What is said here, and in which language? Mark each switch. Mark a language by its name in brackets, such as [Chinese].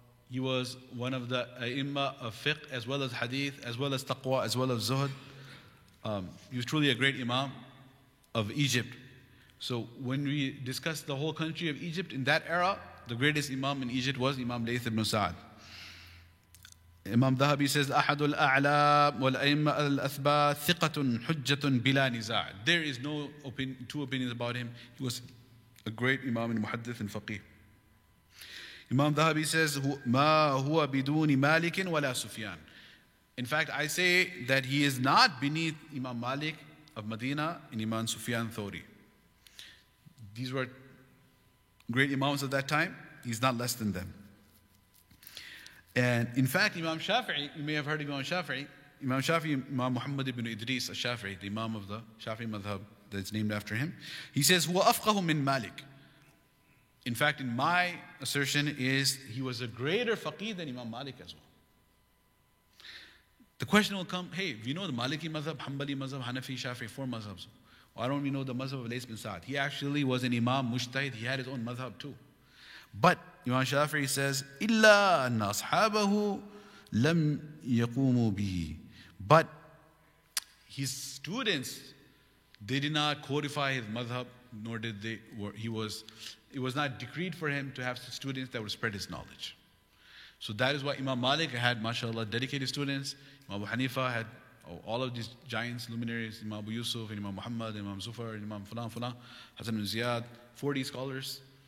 [English] He was one of the a'imma of fiqh, as well as hadith, as well as taqwa, as well as zuhud. He was truly a great imam of Egypt. So when we discuss the whole country of Egypt in that era, the greatest imam in Egypt was Imam Layth ibn Sa'ad. Imam Dhahabi says, [Arabic] أحد الأعلام والأئمة الأثبات ثقة حجة بلا نزاع. [English] There is no two opinions about him. He was a great imam and muhaddith and faqih. Imam Dhahabi says, [Arabic] ما هو بدون مالك ولا سفيان. [English] In fact, I say that he is not beneath Imam Malik of Medina and Imam Sufyan Thawri. These were great imams at that time. He's not less than them. And in fact, Imam Shafi'i, you may have heard Imam Shafi'i. Imam Shafi'i, Imam Muhammad ibn Idris al-Shafi'i, the Imam of the Shafi'i Madhab that is named after him. He says, [Arabic] هو أفقه من مالك. [English] In fact, in my assertion is he was a greater faqih than Imam Malik as well. The question will come, hey, we know the Maliki Madhab, Hanbali Madhab, Hanafi, Shafi'i, four Madhabs. Why don't we know the Madhab of Layth bin Sa'ad? He actually was an Imam, Mujtahid, he had his own Madhab too. But Imam Shafi'i says, [Arabic] إِلَّا أَنَّ أَصْحَابَهُ لَمْ يَقُومُوا بِهِ. [English] But his students, they did not codify his Madhab, nor did they, it was not decreed for him to have students that would spread his knowledge. So that is why Imam Malik had, mashallah, dedicated students. Imam Abu Hanifa had all of these giants, luminaries, Imam Abu Yusuf, and Imam Muhammad, and Imam Zufar, and Imam Fulan, Fulan, Hasan ibn Ziyad, 40 scholars.